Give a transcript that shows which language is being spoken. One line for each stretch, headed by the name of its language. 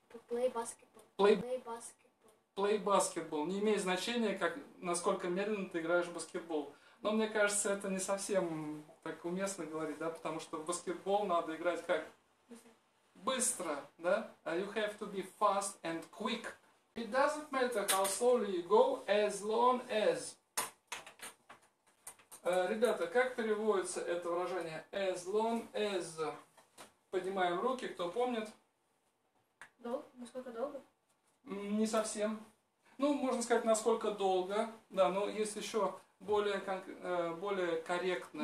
English: Play basketball. Play basketball.
Russian: Не имеет значения, как насколько медленно ты играешь в баскетбол. Но мне кажется, это не совсем так уместно говорить, да, потому что в баскетбол надо играть как? Быстро, да?
English: You have to be fast and quick. It doesn't matter how slowly you go, as long as.
Russian: Ребята, как переводится это выражение?
English: As long as.
Russian: Поднимаем руки, кто помнит? Долго? Насколько долго? Не совсем. Ну, можно сказать, насколько долго. Да, но есть еще... Более, более корректное.